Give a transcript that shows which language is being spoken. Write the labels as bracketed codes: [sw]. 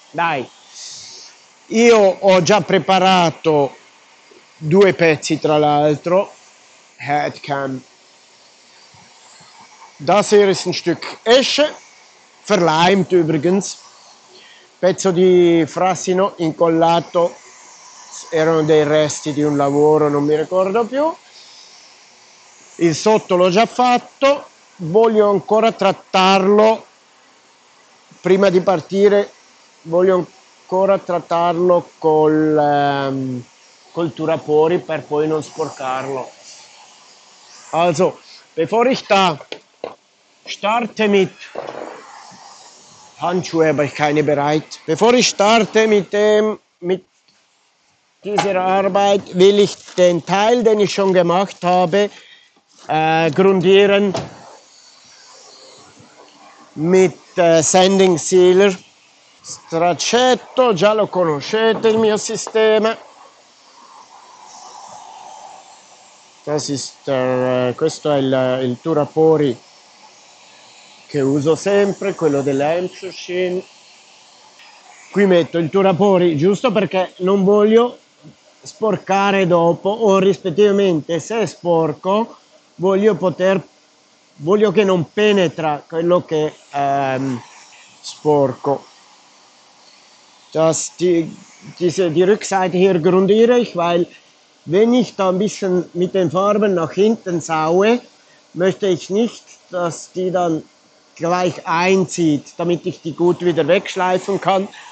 [it] Dai, io ho già preparato due pezzi tra l'altro. [en] Headcam. [de] Das hier ist ein Stück Esche. Verleimt übrigens, [it] pezzo di frassino incollato, erano dei resti di un lavoro, non mi ricordo più. Il sotto l'ho già fatto, voglio ancora trattarlo, prima di partire voglio ancora trattarlo col turapori per poi non sporcarlo. [de] Also, bevor ich da starte mit... Handschuhe habe ich keine bereit. Bevor ich starte mit dieser Arbeit, will ich den Teil, den ich schon gemacht habe, grundieren mit Sanding Sealer. [it] Straccetto, già lo conoscete il mio sistema. [de] Das ist, [it] questo è il Turapori che uso sempre, quello dell'Hampshire. Qui metto il turapori giusto perché non voglio sporcare dopo, o rispettivamente se sporco voglio che non penetra quello che sporco. [de] Das die Rückseite hier grundiere ich, weil wenn ich da ein bisschen mit den Farben nach hinten saue, möchte ich nicht, dass die dann gleich einzieht, damit ich die gut wieder wegschleifen kann.